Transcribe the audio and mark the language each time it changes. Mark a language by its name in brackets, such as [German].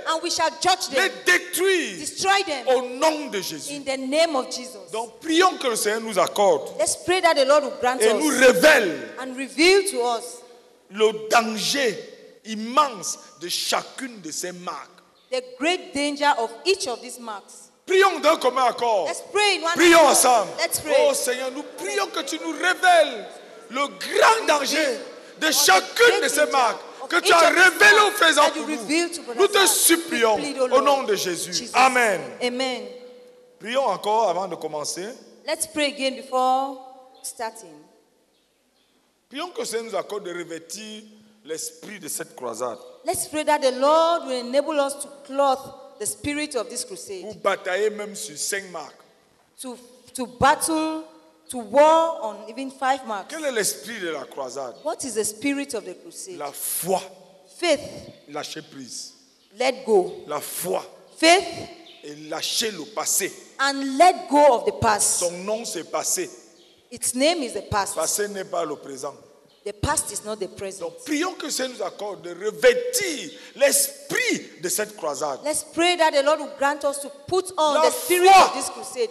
[English] And we shall judge them. [French] Les détruire. [English] Destroy them. [French] Au nom de Jésus. [English] In the name of Jesus. [French] Donc prions que le Seigneur nous accorde. [English] Let's pray that the Lord will grant [French] et [English] us. [French] Et nous révèle. [English] And reveal to us. [French] Le danger immense de chacune de ces marques. [English] The great danger of each of these marks. [French] Prions d'un commun accord. [English] Let's pray in one [French] prions ensemble. [English] Let's pray. [French] Oh Seigneur, nous prions que tu nous révèles le grand danger de chacune de ces marques que tu as révélé au faisant pour nous. Nous te supplions au nom de Jésus. Amen. Amen. Prions encore avant de commencer. [English] Let's pray again before starting. [French] Prions que Seigneur nous accorde de revêtir l'esprit de cette croisade. [English] Let's pray that the Lord will enable us to cloth the spirit of this crusade. [French] Pour batailler même sur cinq marques. [English] To battle, to war on even five marks. [French] Quel est l'esprit de la croisade? [English] What is the spirit of the crusade? [French] La foi. [English] Faith. [French] Lâcher prise. [English] Let go. [French] La foi. [English] Faith. [French] Et lâcher le passé. [English] And let go of the past. [French] Son nom c'est passé. [English] Its name is the past. [French] Passé n'est pas le présent. [English] The past is not the present. [French] Donc, prions que Dieu nous accorde de revêtir l'esprit de cette croisade. [English] Let's pray that the Lord will grant us to put on the spirit of this crusade.